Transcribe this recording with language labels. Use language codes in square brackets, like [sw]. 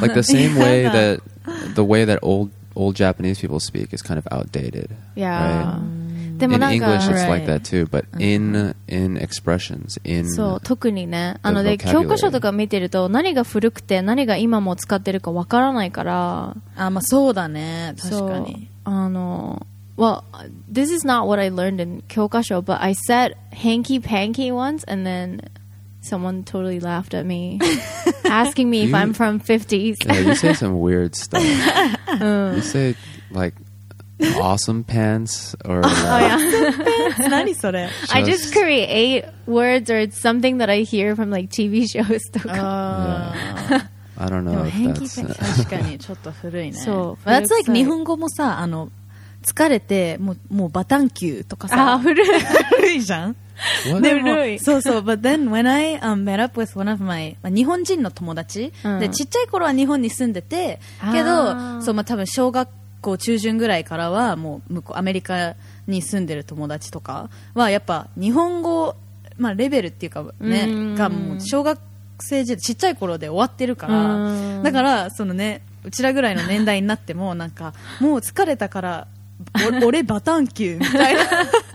[en] Like the same way that old Japanese people speak is kind of outdated. Yeah. Right? [ja] でもなんか、 [en] in English, it's like that too. But in expressions, in [ja] そう特にね。あので教科書とか見てると何が古くて何が今も使ってるかわからないから。あ、まあそうだね。確かに。 [en] あの、well, this is not what I learned in 教科書, but I said hanky panky once, and then someone totally laughed at me, asking me if I'm from 50s. Yeah, you say some weird stuff. You say like awesome pants or. Like, oh yeah. Awesome pants. [ja] 何それ? [en] I just create words or it's something that I hear from like TV shows. Oh. I don't know if that's... [ja] 確かにちょっと古いね。そう。 [en] That's like [ja] 日本語もさ、あの、疲れて、もうバタンキューとかさ。あ、古い。古いじゃん。でも、そうそう。 [en] But then when I met up with one of my、 [ja] ま、日本人の友達、うん、で、ちっちゃい頃は日本に住んでて、けど、そう、ま、多分小学校中旬ぐらいからは、もう向こう、アメリカに住んでる友達とかは、やっぱ日本語、ま、レベルっていうかね、がもう小学校、ちっちゃい頃で終わってるから、だからそのね、うちらぐらいの年代になってもなんかもう疲れたから俺バタンキューみたいな